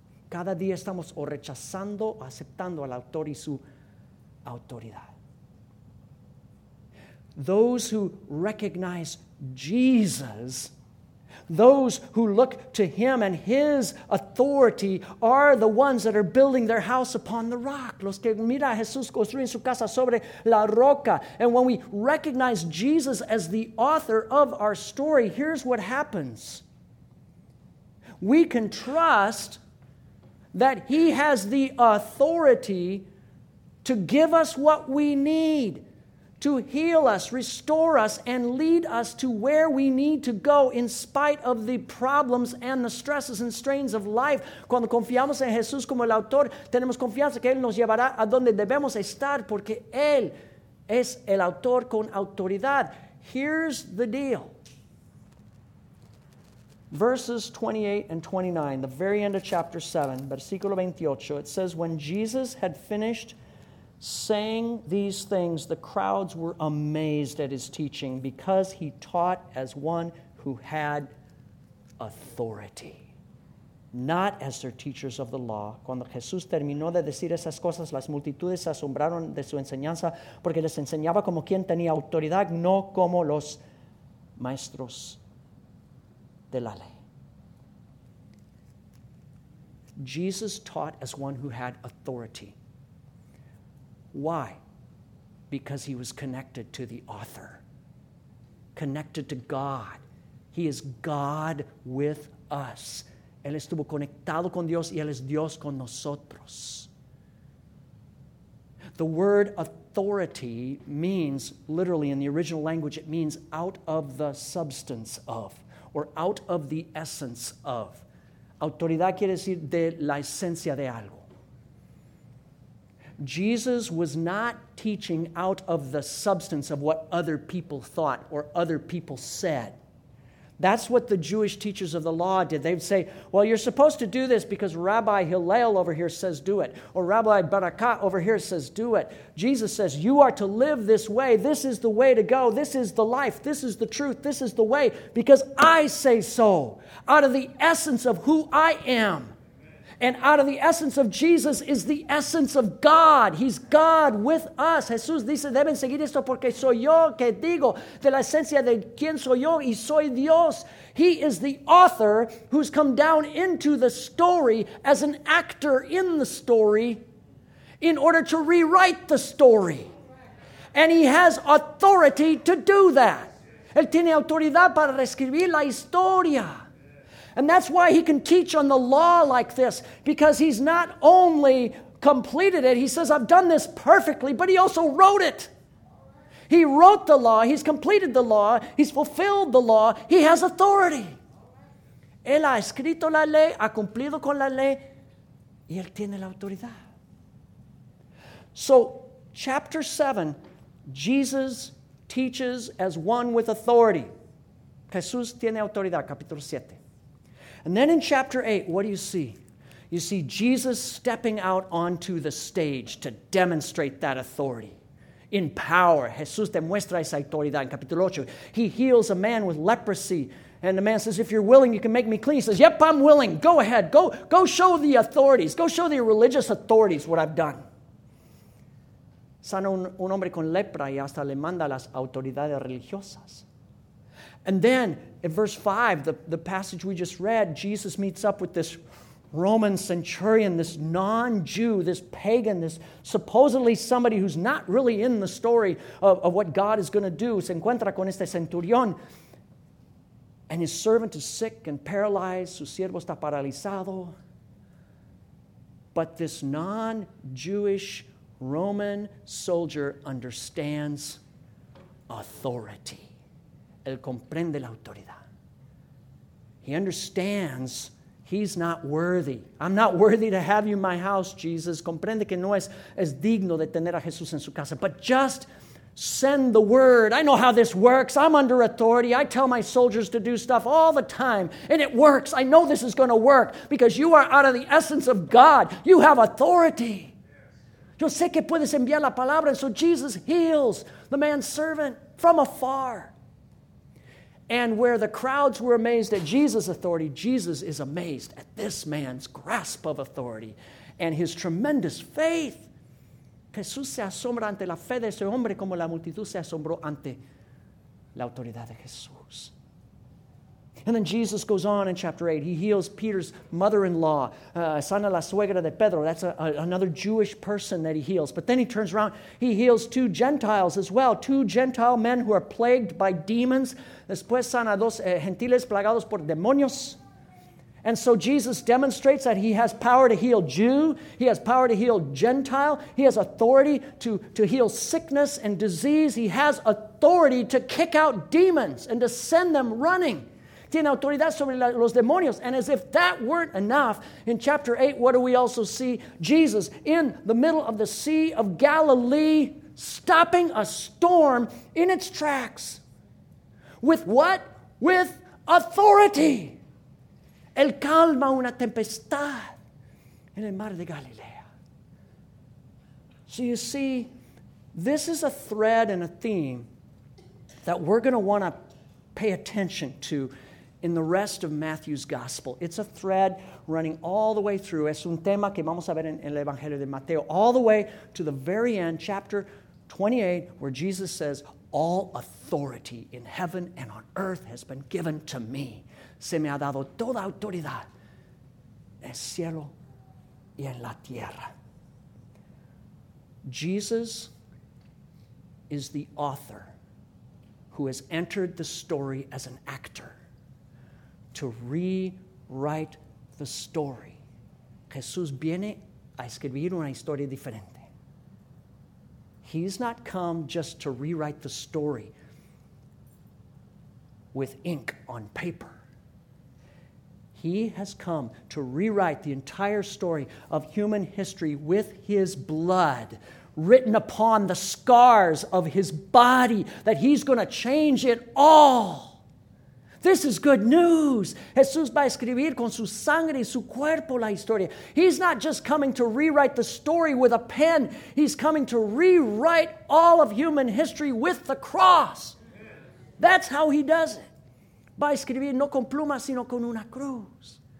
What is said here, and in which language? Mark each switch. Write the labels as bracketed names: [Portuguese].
[Spanish] Cada día estamos o rechazando o aceptando al autor y su autoridad. [English] Those who recognize Jesus, those who look to him and his authority, are the ones that are building their house upon the rock. [Spanish] Los que mira a Jesús construyen su casa sobre la roca. [English] And when we recognize Jesus as the author of our story, here's what happens. We can trust that he has the authority to give us what we need, to heal us, restore us, and lead us to where we need to go in spite of the problems and the stresses and strains of life. [Spanish] Cuando confiamos en Jesús como el autor, tenemos confianza que Él nos llevará a donde debemos estar, porque Él es el autor con autoridad. [English] Here's the deal. Verses 28 and 29, the very end of chapter 7, versículo 28, it says, when Jesus had finished saying these things, the crowds were amazed at his teaching because he taught as one who had authority, not as their teachers of the law. [Spanish] Cuando Jesús terminó de decir esas cosas, las multitudes se asombraron de su enseñanza porque les enseñaba como quien tenía autoridad, no como los maestros de la ley. [English] Jesus taught as one who had authority. Why? Because he was connected to the author, connected to God. He is God with us. [Spanish] Él estuvo conectado con Dios y Él es Dios con nosotros. [English] The word authority means, literally in the original language, it means out of the substance of, or out of the essence of. [Spanish] Autoridad quiere decir de la esencia de algo. [English] Jesus was not teaching out of the substance of what other people thought or other people said. That's what the Jewish teachers of the law did. They'd say, well, you're supposed to do this because Rabbi Hillel over here says do it, or Rabbi Barakah over here says do it. Jesus says, you are to live this way. This is the way to go. This is the life. This is the truth. This is the way because I say so, out of the essence of who I am. And out of the essence of Jesus is the essence of God. He's God with us. [Spanish] Jesús dice, deben seguir esto porque soy yo que digo de la esencia de quién soy yo y soy Dios. [English] He is the author who's come down into the story as an actor in the story in order to rewrite the story. And he has authority to do that. [Spanish] Él tiene autoridad para reescribir la historia. [English] And that's why he can teach on the law like this, because he's not only completed it, he says, I've done this perfectly, but he also wrote it. He wrote the law, he's completed the law, he's fulfilled the law, he has authority. [Spanish] Él ha escrito la ley, ha cumplido con la ley, y él tiene la autoridad. [English] So, chapter 7, Jesus teaches as one with authority. [Spanish] Jesús tiene autoridad, capítulo 7. [English] And then in chapter 8, what do you see? You see Jesus stepping out onto the stage to demonstrate that authority in power. [Spanish] Jesús demuestra esa autoridad en capítulo 8. [English] He heals a man with leprosy. And the man says, if you're willing, you can make me clean. He says, yep, I'm willing. Go ahead. Go show the authorities. Go show the religious authorities what I've done. [Spanish] Sana un hombre con lepra y hasta le manda las autoridades religiosas. [English] And then, in verse 5, the passage we just read, Jesus meets up with this Roman centurion, this non-Jew, this pagan, this supposedly somebody who's not really in the story of what God is going to do. [Spanish] Se encuentra con este centurión. [English] And his servant is sick and paralyzed. [Spanish] Su siervo está paralizado. [English] But this non-Jewish Roman soldier understands authority. [Spanish] Él comprende la autoridad. [English] He understands he's not worthy. I'm not worthy to have you in my house, Jesus. [Spanish] Comprende que no es digno de tener a Jesús en su casa. [English] But just send the word. I know how this works. I'm under authority. I tell my soldiers to do stuff all the time. And it works. I know this is going to work because you are out of the essence of God. You have authority. [Spanish] Yo sé que puedes enviar la palabra. [English] So Jesus heals the man's servant from afar. And where the crowds were amazed at Jesus' authority, Jesus is amazed at this man's grasp of authority and his tremendous faith. [Spanish] Jesús se asombra ante la fe de ese hombre como la multitud se asombró ante la autoridad de Jesús. [English] And then Jesus goes on in chapter 8. He heals Peter's mother-in-law, [Spanish] sana la suegra de Pedro. [English] That's another Jewish person that he heals. But then he turns around. He heals two Gentiles as well, two Gentile men who are plagued by demons. [Spanish] Después sana dos gentiles plagados por demonios. [English] And so Jesus demonstrates that he has power to heal Jew. He has power to heal Gentile. He has authority to heal sickness and disease. He has authority to kick out demons and to send them running. [Spanish] Tiene autoridad sobre los demonios. [English] And as if that weren't enough, in chapter 8, what do we also see? Jesus in the middle of the Sea of Galilee stopping a storm in its tracks. With what? With authority. [Spanish] Él calma una tempestad en el mar de Galilea. [English] So you see, this is a thread and a theme that we're going to want to pay attention to in the rest of Matthew's gospel. It's a thread running all the way through. [Spanish] Es un tema que vamos a ver en el Evangelio de Mateo, [English] all the way to the very end, chapter 28, where Jesus says, "All authority in heaven and on earth has been given to me." [Spanish] Se me ha dado toda autoridad en el cielo y en la tierra. [English] Jesus is the author who has entered the story as an actor to rewrite the story. [Spanish] Jesús viene a escribir una historia diferente. [English] He's not come just to rewrite the story with ink on paper. He has come to rewrite the entire story of human history with his blood, written upon the scars of his body, that he's going to change it all. This is good news. [Spanish] Jesús va a escribir con su sangre y su cuerpo la historia. [English] He's not just coming to rewrite the story with a pen. He's coming to rewrite all of human history with the cross. That's how he does it. [Spanish] Va a escribir no con pluma, sino con una cruz.